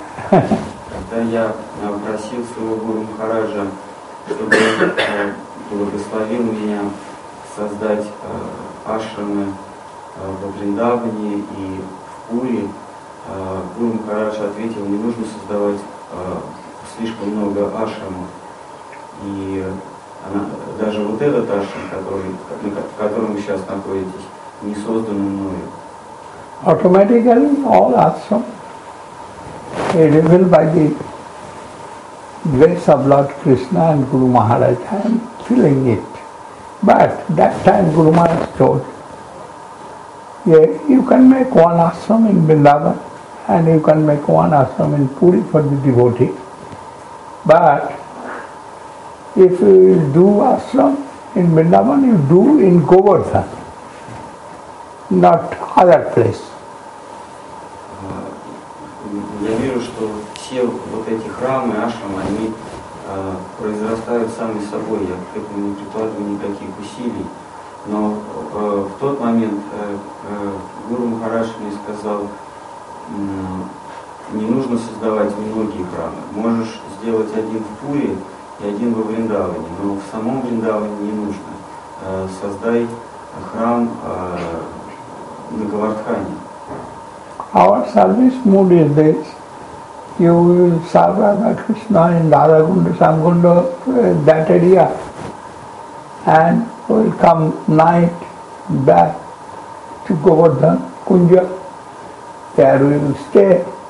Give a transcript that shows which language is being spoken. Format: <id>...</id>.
<ru>Когда я попросил своего Гуру Махараджа, чтобы он благословил меня создать ашрамы во Вриндаване и в Пури, Гуру Махарадж ответил, не нужно создавать слишком много ашрамов. И даже вот этот ашрам, в котором вы сейчас находитесь, не создан мною.</ru> <en>Automatically all ashram. It revealed by the grace of Lord Krishna and Guru Maharaj. I am feeling it. But that time Guru Maharaj told, yeah, you can make one ashram in Vrindavan and you can make one ashram in Puri for the devotee. But if you will do ashram in Vrindavan, you do in Govardhan, not other place.</en> <ru>Я вижу, что все вот эти храмы, ашрамы, они произрастают сами собой. Я к этому не прикладываю никаких усилий. Но в тот момент Гуру Махарадж мне сказал, не нужно создавать многие храмы. Можешь сделать один в Пури и один во Вриндаване. Но в самом Вриндаване не нужно. Создай храм на Говардхане.</ru> <en>Our service mood is this. You will serve Radha Krishna in Radha Kunda, Samkunda, that area. And will come night back to Govardhan, Kunja. There we will stay.</en>